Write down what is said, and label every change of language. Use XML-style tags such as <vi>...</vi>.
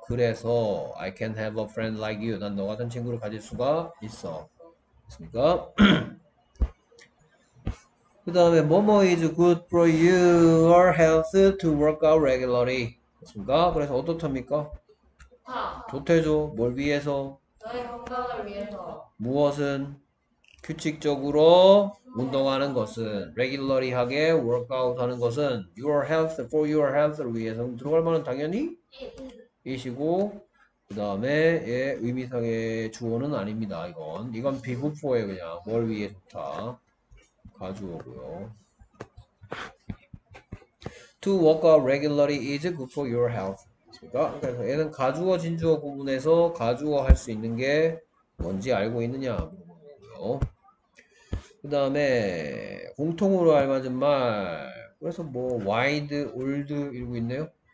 <ko>그래서</ko> <en>I can have a friend like you.</en> <ko>난 너 같은 친구를 가질 수가 있어. 있습니까? 다음에 뭐뭐</ko> <en>is good for your health to work out regularly.</en> <ko>그렇습니까? 그래서 어떻습니까? 좋대죠. 뭘 위해서? 너의 건강을 위해서. 무엇은? 규칙적으로 운동하는 것은 regularly하게 workout 하는 것은 your health for your health를 위해서 들어갈 만한 당연히 이시고 그 다음에 예, 의미상의 주어는 아닙니다. 이건 비후포에 그냥 뭘 위해 좋다 가져오고요.</ko> <en>To workout regularly is good for your health.</en> <ko>그래서 얘는 가주어 진주어 구분해서 가주어 할수 있는 게 뭔지 알고 있느냐 물어보고요. 그 다음에 공통으로 알맞은 말 그래서 뭐 와이드 올드 이러고 있네요.</ko>